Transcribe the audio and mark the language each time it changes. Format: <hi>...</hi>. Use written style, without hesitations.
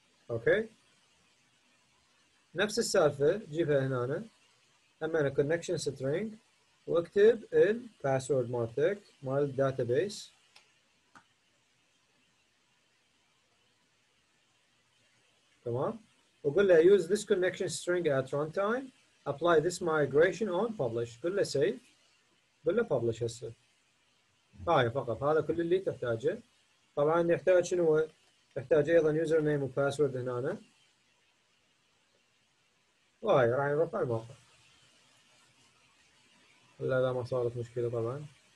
<ar>اوكي نفس السالفه جيبها هنا أمانة connection string واكتب ال password مالتك مال database. تمام، وقل له</ar> <en>use this connection string at runtime, apply this migration on publish.</en> <ar>قل له save، قل له publish هسه. هاي فقط، هذا كل اللي تحتاجه. طبعا يحتاج شنو؟ يحتاج ايضا username و password هنا. وهاي راح يرفع الموقع لا لا ما صارت مشكلة طبعا.</ar>